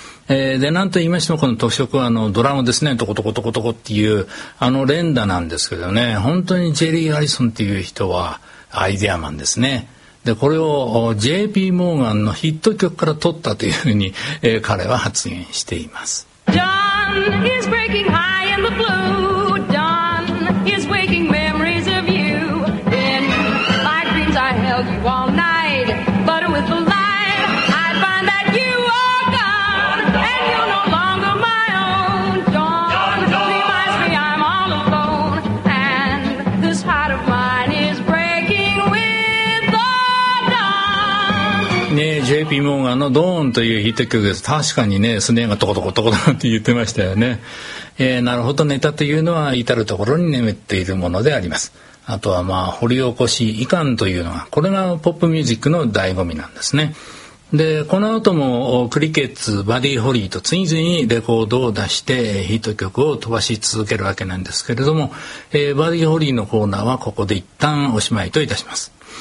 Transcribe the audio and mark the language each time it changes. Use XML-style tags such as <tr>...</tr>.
<ja>で、なんと言いましてもこの特色はあのドラムですね、トコトコトコトコっていうあの連打なんですけどね、本当にジェリー・アリソンっていう人はアイデアマンですね。で、これを J.P. モーガンのヒット曲から取ったというふうに、彼は発言しています。</ja> <en>John is breaking high in the blueIs waking memories of you. In my dreams I held you all night, but with the light I find that you are gone, and you're no longer my own. Dawn reminds me I'm all alone, and this heart of mine is breaking with the dawn.</en> <ja>ねえ、 J.P. モーガンのドーンというヒット曲です。確かにね、スネアがトコトコトコトコって言ってましたよね。なるほど、ネタというのは至る所に眠っているものであります。あとはまあ掘り起こしいかんというのが、これがポップミュージックの醍醐味なんですね。でこの後もクリケッツ、バディ・ホリーと次々にレコードを出してヒット曲を飛ばし続けるわけなんですけれども、バディ・ホリーのコーナーはここで一旦おしまいといたします。</ja>